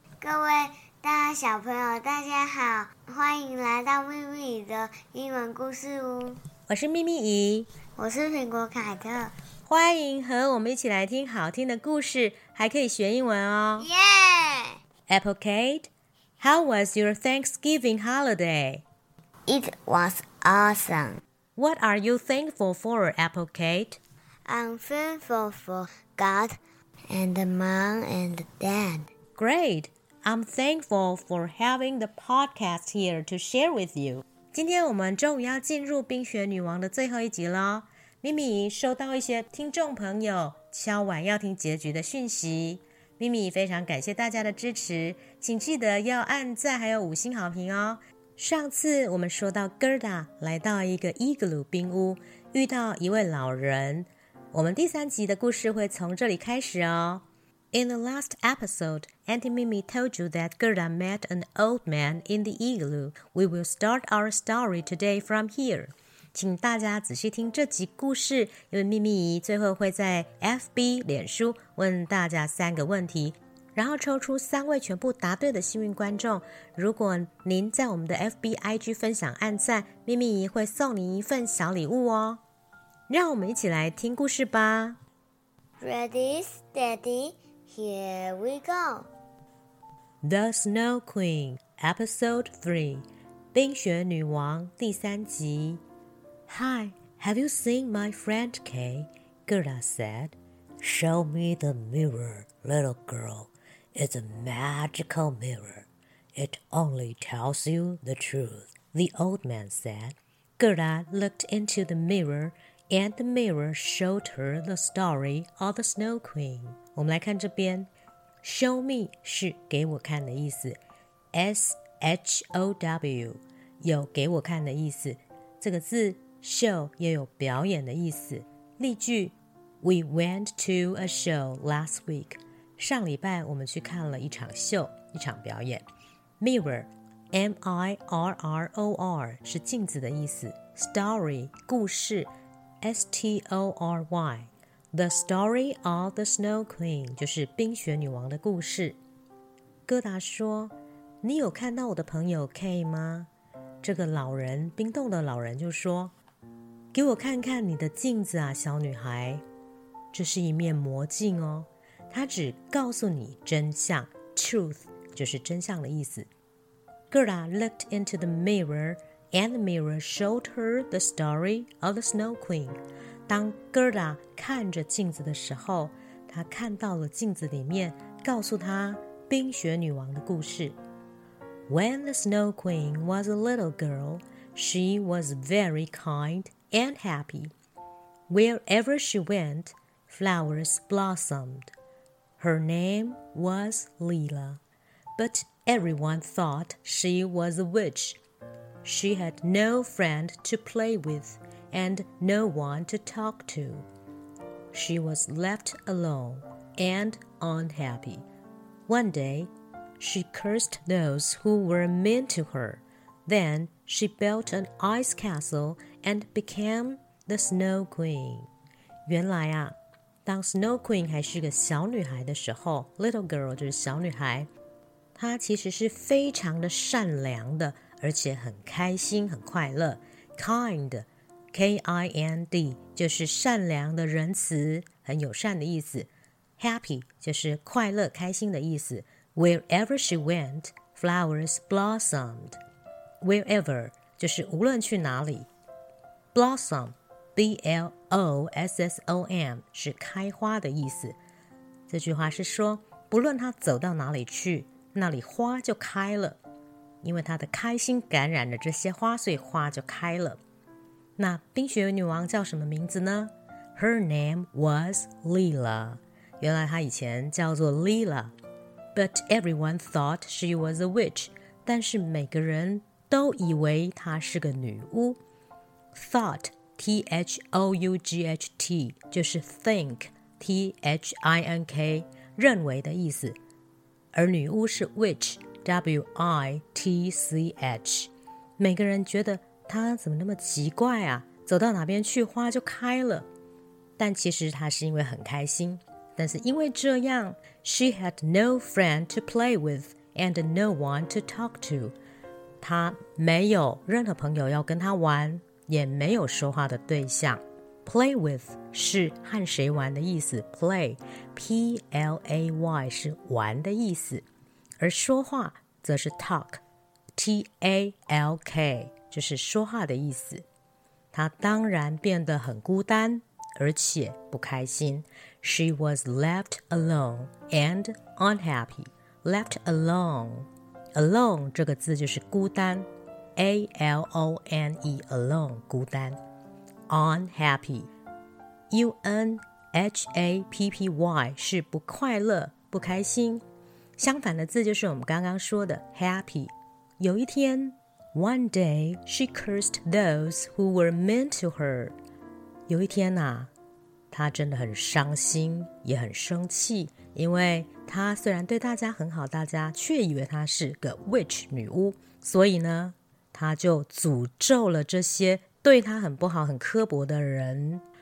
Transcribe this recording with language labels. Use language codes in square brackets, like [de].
[zh] 各位大小朋友大家好，欢迎来到咪咪的英文故事屋。我是咪咪姨。我是苹果凯特。欢迎和我们一起来听好听的故事，还可以学英文哦。 [en] Yeah! Apple Kate, how was your Thanksgiving holiday? It was awesome. What are you thankful for, Apple Kate? I'm thankful for God and Mom and Dad. Great! I'm thankful for having the podcast here to share with you. [zh] 今天我们终于要进入冰雪女王的最后一集了。咪咪收到一些听众朋友敲碗要听结局的讯息，咪咪非常感谢大家的支持，请记得要按赞还有五星好评哦。上次我们说到 Gerda 来到一个 Igloo 冰屋，遇到一位老人，我们第三集的故事会从这里开始哦。 [en] In the last episode, Auntie Mimi told you that Gerda met an old man in the Igloo. We will start our story today from here. [zh] 请大家仔细听这集故事，因为咪咪姨最后会在 FB 脸书问大家三个问题，然后抽出三位全部答对的幸运观众。如果您在我们的 FB IG 分享按赞，咪咪姨会送您一份小礼物哦。让我们一起来听故事吧。 [en] Ready, steady, here we go. The Snow Queen, Episode 3, [zh] 冰雪女王第三集。 [en] Hi, have you seen my friend Kay? Gerda said. Show me the mirror, little girl. It's a magical mirror. It only tells you the truth, the old man said. Gerda looked into the mirror, and the mirror showed her the story of the Snow Queen. [zh] 我们来看这边。 Show me 是给我看的意思。S-H-O-W 有给我看的意思。这个字Show 也有表演的意思。 [en] 例句 We went to a show last week. [zh] 上礼拜我们去看了一场秀，一场表演。 Mirror, M-I-R-R-O-R, 是镜子的意思。 Story, 故事 S-T-O-R-Y, [en] The Story of the Snow Queen, [zh] 就是冰雪女王的故事。戈达说，你有看到我的朋友 K 吗？这个老人，冰冻的老人就说，给我看看你的镜子啊，小女孩，这是一面魔镜哦，它只告诉你真相。 Truth 就是真相的意思。 [en] Gerda looked into the mirror, and the mirror showed her the story of the Snow Queen. [zh] 当 Gerda 看着镜子的时候，她看到了镜子里面告诉她冰雪女王的故事。 [en] When the Snow Queen was a little girl, she was very kindand happy. Wherever she went, flowers blossomed. Her name was Leela, but everyone thought she was a witch. She had no friend to play with and no one to talk to. She was left alone and unhappy. One day, she cursed those who were mean to her. Then she built an ice castleand became the Snow Queen. [zh] 原来啊，当 Snow Queen 还是个小女孩的时候， [en] little girl [zh] 就是小女孩，她其实是非常的善良的，而且很开心，很快乐。 Kind, K-I-N-D, 就是善良的仁慈，很友善的意思。 Happy, 就是快乐，开心的意思。 [en] Wherever she went, flowers blossomed. [zh] Wherever, 就是无论去哪里。Blossom, B-L-O-S-S-O-M, 是开花的意思。这句话是说，不论他走到哪里去，那里花就开了。因为他的开心感染着这些花，所以花就开了。那冰雪女王叫什么名字呢？ [en] Her name was Leela. [zh] 原来她以前叫做 Leela. [en] But everyone thought she was a witch. [zh] 但是每个人都以为她是个女巫。 Thought, T-H-O-U-G-H-T, 就是 think, T-H-I-N-K, 认为的意思。而女巫是 witch, W-I-T-C-H, 每个人觉得它怎么那么奇怪啊，走到哪边去花就开了。但其实它是因为很开心，但是因为这样 [en] She had no friend to play with and no one to talk to， [zh] 她没有任何朋友要跟她玩，也没有说话的对象。 Play with 是和谁玩的意思， Play P-L-A-Y 是玩的意思，而说话则是 talk T-A-L-K 就是说话的意思。她当然变得很孤单而且不开心。 [en] She was left alone and unhappy. Left alone. [zh] Alone 这个字就是孤单， A-L-O-N-E alone 孤单。 Unhappy U-N-H-A-P-P-Y 是不快乐不开心，相反的字就是我们刚刚说的 happy。有一天 [en] One day she cursed those who were mean to her。 [zh] 有一天啊，他真的很伤心也很生气，因为他虽然对大家很好，大家却以为他是个 witch 女巫，所以呢他就诅咒了这些对他很不好很刻薄的人。